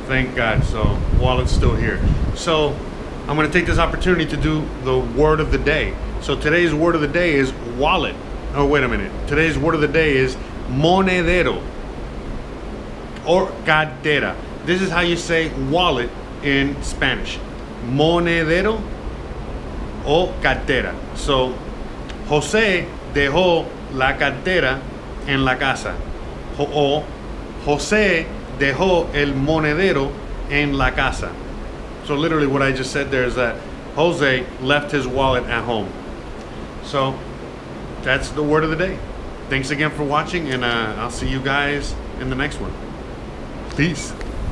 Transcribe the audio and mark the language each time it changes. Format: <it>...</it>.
<en>Thank God, so wallet's still here. So I'm gonna take this opportunity to do the word of the day. So today's word of the day is wallet. Oh, wait a minute. Today's word of the day is monedero or cartera. This is how you say wallet in Spanish.</en> <es>Monedero o cartera. So Jose dejó la cartera en la casa. O Jose dejó el monedero en la casa.</es> <en>So literally what I just said there is that Jose left his wallet at home. So that's the word of the day. Thanks again for watching, and I'll see you guys in the next one. Peace.</en>